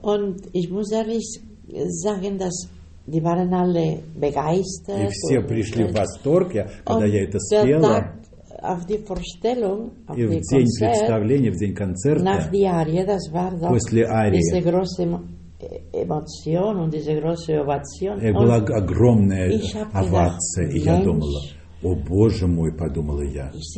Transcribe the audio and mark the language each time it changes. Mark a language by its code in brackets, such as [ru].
[de] Und ich muss ehrlich sagen, dass die waren alle begeistert. [ru] И все пришли в восторг, когда я это спела. [de] Auf die Vorstellung, auf [ru] и в [de] die [ru] день представления, в день концерта, [de] nach die Arie, das war doch, [ru] после арии, [de] diese große Emotion und diese große Ovation. [ru] И была огромная овация, и я думала, о, Боже мой, подумала я.